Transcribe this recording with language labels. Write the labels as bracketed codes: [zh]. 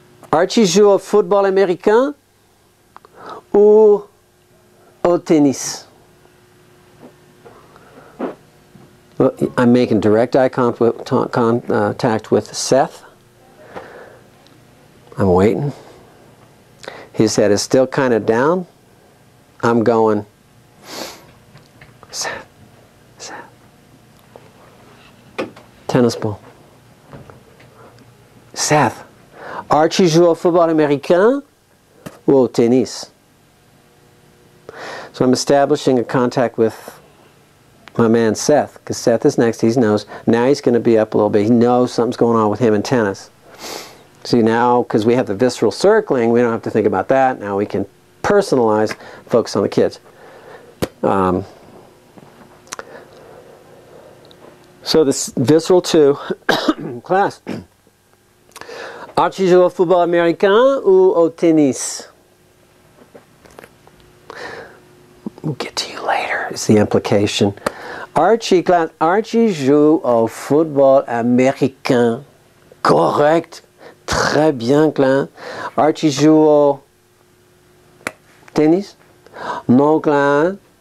[fr] Archie joue au football américain ou au tennis? [en] Well, I'm making direct eye contact with Seth. I'm waiting. His head is still kind of down. I'm going, Seth, tennis ball. [fr] Seth, Archie joue au football américain ou au tennis? [en] So I'm establishing a contact with my man Seth, because Seth is next, he knows. Now he's going to be up a little bit. He knows something's going on with him in tennis. See, now, because we have the visceral circling, we don't have to think about that. Now we can personalize, focus on the kids. So this visceral two, class. [fr] Archie joue au football américain ou au tennis? [en] We'll get to you later, is the implication. [fr] Archie, class, Archie joue au football américain. Correct. Très bien, class. Archie joue au tennis? Non, class.